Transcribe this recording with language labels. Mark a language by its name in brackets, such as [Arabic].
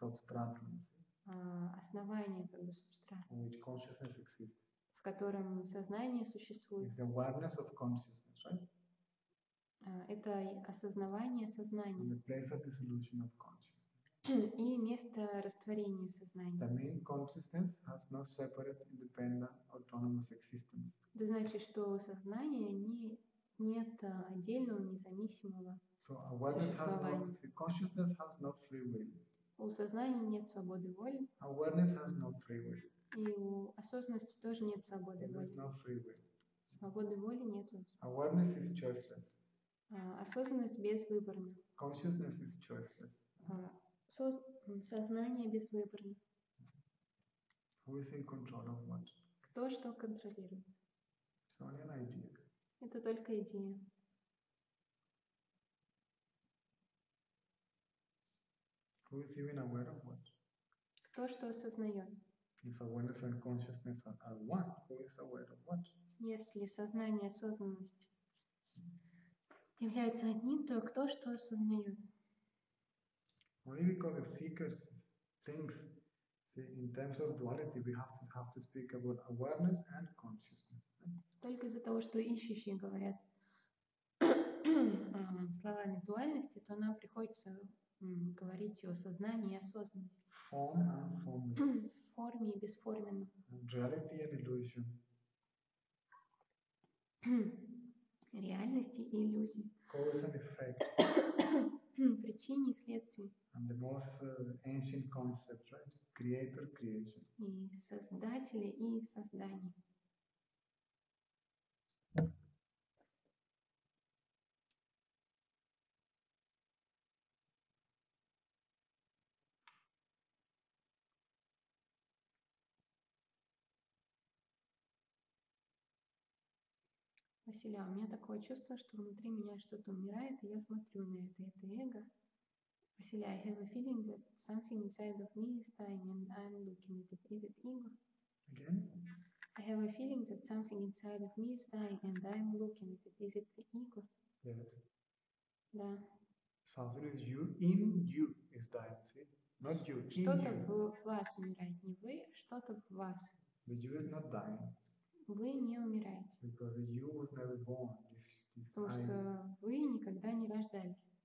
[English] The substratum. [Russian] Основание, как бы, субстрат. [English] In which consciousness exists. [Russian] В котором сознание существует. [English] It's the awareness of consciousness, right? [Russian] Это осознавание сознания. [English] And the place of dissolution of consciousness. [Russian] И место растворения сознания. [English] That means consciousness has no separate, independent, autonomous existence. [Russian] Это значит, что сознание нет отдельного, независимого существования. [English] Consciousness has no free will. [Russian] У сознания нет свободы воли. [English] Awareness has no free will. [Russian] И у осознанности тоже нет свободы воли. [English] There is no free will. [Russian] Свободы воли нету. [English] Awareness is choiceless. [Russian] Осознанность безвыборна. [English] Consciousness is choiceless. [Russian] Сознание безвыборно. [English] Who is in control of what? [Russian] Кто что контролирует? [English] It's only an idea. [Russian] Это только идея. [English] Who is even aware of what? [Russian] Кто что осознает? [English] If awareness and consciousness are one, who is aware of what? [Russian] Если сознание и осознанность являются одним, то кто что осознает? [English] Only because the seeker thinks, see, in terms of duality, we have to speak about awareness and consciousness. [Russian] Только из-за того, что ищущие говорят словами дуальности, то нам приходится говорить о сознании и осознанности. [English] Form and formless. [Russian] Форме и бесформенном. [English] Reality and illusion. [Russian] Реальности и иллюзии. [English] Cause and effect. [Russian] Причине и следствию. [English] And the most ancient concept, right? Creator, creation. [Russian] И создатели, и создание. Василя, у меня такое чувство, что внутри меня что-то умирает, и я смотрю на это эго. [English] Василя, I have a feeling that something inside of me is dying and I'm looking at it. Is it ego? Again? I have a feeling that something inside of me is dying and I'm looking at it. Is it ego? Yes. [Russian] Да. [English] Something is you, in you is dying, see? Not you, in [Russian] Что-то [English] you. [Russian] в вас умирает, не вы, что-то в вас. [English] But you are not dying. [Russian] Вы не умираете. [English] Because you was never born. This [Russian] Потому что вы никогда не рождались.